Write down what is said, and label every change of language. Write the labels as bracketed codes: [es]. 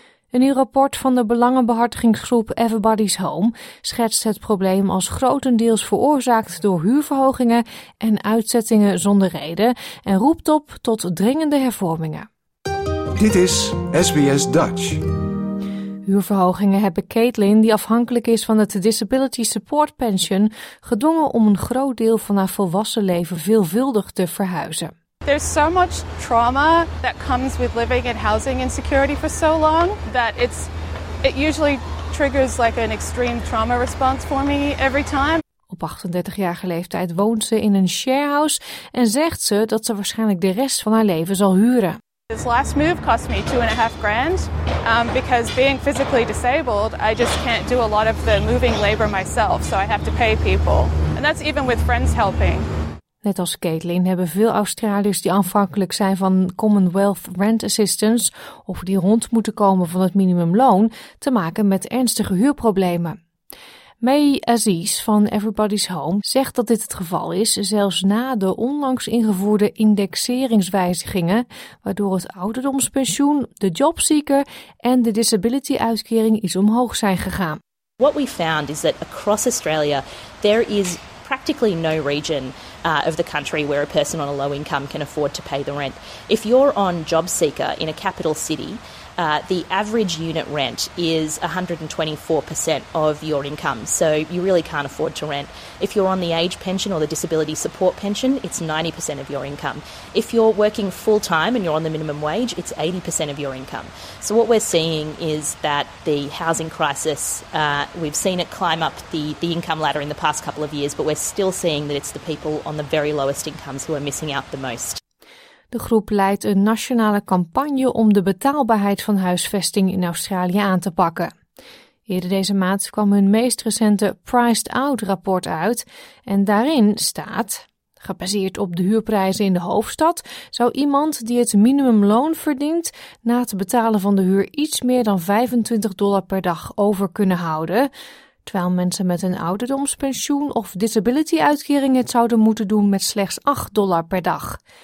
[nl] Een nieuw rapport van de belangenbehartigingsgroep Everybody's Home schetst het probleem als grotendeels veroorzaakt door huurverhogingen en uitzettingen zonder reden en roept op tot dringende hervormingen. Dit is SBS Dutch. Huurverhogingen hebben Caitlin, die afhankelijk is van het Disability Support Pension, gedwongen om een groot deel van haar volwassen leven veelvuldig te verhuizen. [en] There's so much trauma that comes with living in housing insecurity for so long that it usually triggers like an extreme trauma response for me every time. [nl] Op 38-jarige leeftijd woont ze in een sharehouse en zegt ze dat ze waarschijnlijk de rest van haar leven zal huren. [en] This last move cost me $2,500 because being physically disabled, I just can't do a lot of the moving labor myself, so I have to pay people. And that's even with friends helping. [nl] Net als Caitlin hebben veel Australiërs die afhankelijk zijn van Commonwealth Rent Assistance of die rond moeten komen van het minimumloon te maken met ernstige huurproblemen. May Aziz van Everybody's Home zegt dat dit het geval is, zelfs na de onlangs ingevoerde indexeringswijzigingen, waardoor het ouderdomspensioen, de jobseeker en de disability-uitkering iets omhoog zijn gegaan. [en] What we found is that across Australia there is practically no region of the country where a person on a low income can afford to pay the rent. If you're on JobSeeker in a capital city, the average unit rent is 124% of your income, so you really can't afford to rent. If you're on the age pension or the disability support pension, it's 90% of your income. If you're working full time and you're on the minimum wage, it's 80% of your income. So what we're seeing is that the housing crisis, we've seen it climb up the income ladder in the past couple of years, but we're still seeing that it's the people on the very lowest incomes who are missing out the most. [nl] De groep leidt een nationale campagne om de betaalbaarheid van huisvesting in Australië aan te pakken. Eerder deze maand kwam hun meest recente Priced Out rapport uit en daarin staat: gebaseerd op de huurprijzen in de hoofdstad zou iemand die het minimumloon verdient na het betalen van de huur iets meer dan $25 per dag over kunnen houden, terwijl mensen met een ouderdomspensioen of disability-uitkering het zouden moeten doen met slechts $8 per dag.